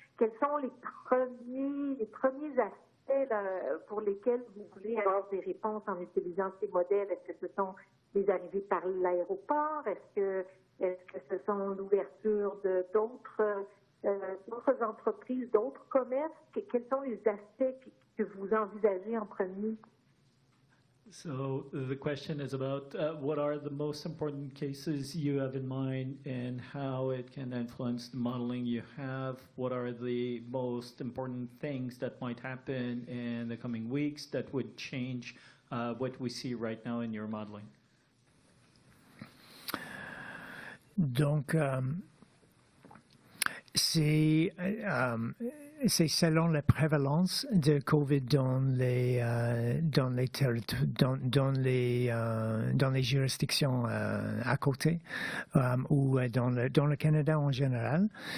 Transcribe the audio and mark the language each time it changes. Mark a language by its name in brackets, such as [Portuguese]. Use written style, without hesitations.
[French] Quels sont les premiers aspects pour lesquels vous voulez avoir des réponses en utilisant ces modèles? Est-ce que ce sont les arrivées par l'aéroport? Est-ce que ce sont l'ouverture de d'autres entreprises, d'autres commerces? Quels sont les aspects que vous envisagez en premier? [English] So the question is about what are the most important cases you have in mind and how it can influence the modeling you have. What are the most important things that might happen in the coming weeks that would change what we see right now in your modeling? [French] Donc, c'est selon la prévalence de COVID dans les juristions à côté ou dans le Canada en général,